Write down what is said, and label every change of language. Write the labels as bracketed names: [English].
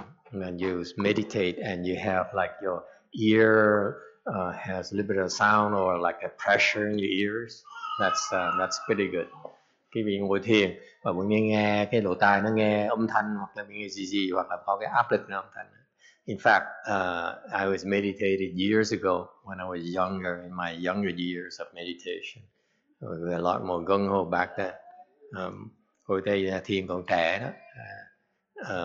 [English] When you meditate and you have like your ear has a little bit of sound or like a pressure in your ears, that's pretty good. [Vietnamese] Khi mình ngồi thiền và mình nghe cái lỗ tai nó nghe âm thanh hoặc là mình nghe gì gì hoặc là có cái áp lực âm thanh. [English] In fact, I was meditated years ago when I was younger, in my younger years of meditation. I was a lot more gung-ho back then. [Vietnamese] Hồi đây là thiền còn trẻ đó.